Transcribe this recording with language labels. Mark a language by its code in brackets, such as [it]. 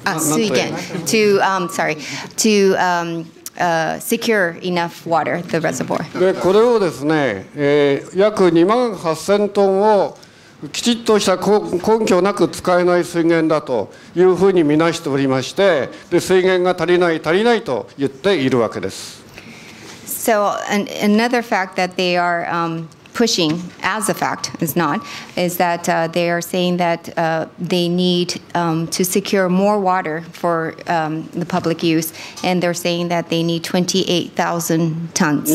[en] 水源 to sorry to secure enough water the reservoir. [ja] でこれをですね、約2万8000トンを きちっとした根拠なく使えない水源だというふうに見なしておりまして、で水源が足りない足りないと言っているわけです。 [en] So another fact that they are pushing as a fact is not is that they are saying that they need to secure more water for the public use and they're saying that they need 28,000 tons.